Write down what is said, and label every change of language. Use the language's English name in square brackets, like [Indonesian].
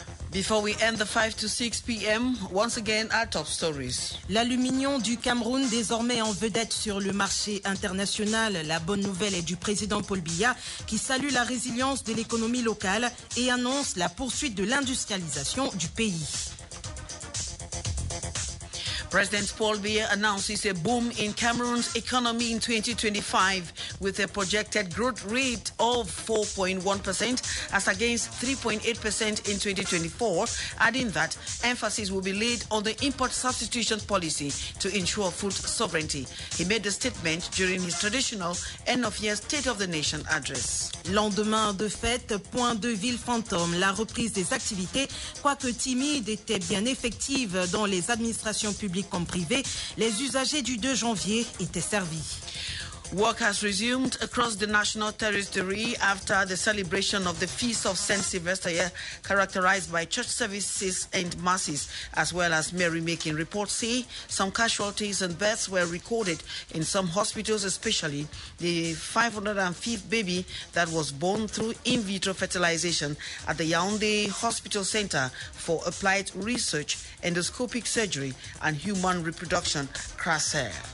[English] Before we end the 5 to 6 p.m., once again, our top stories. [French] L'aluminium du Cameroun désormais en vedette sur le marché international. La bonne nouvelle est du président Paul Biya qui salue la résilience de l'économie locale et annonce la poursuite de l'industrialisation du pays. [English] President Paul Biya announces a boom in Cameroon's economy in 2025 with a projected growth rate of 4.1% as against 3.8% in 2024, adding that emphasis will be laid on the import substitution policy to ensure food sovereignty. He made the statement during his traditional end-of-year State of the Nation address. [French] Lendemain de fête, point de ville fantôme, la reprise des activités, quoique timide, était bien effective dans les administrations publiques comme privé, les usagers du 2 janvier étaient servis. [English] Work has resumed across the national territory after the celebration of the Feast of Saint Sylvester, characterized by church services and masses, as well as merrymaking. Reports say some casualties and deaths were recorded in some hospitals, especially the 505th baby that was born through in vitro fertilization at the Yaoundé Hospital Center for Applied Research, Endoscopic Surgery and Human Reproduction, CRASER.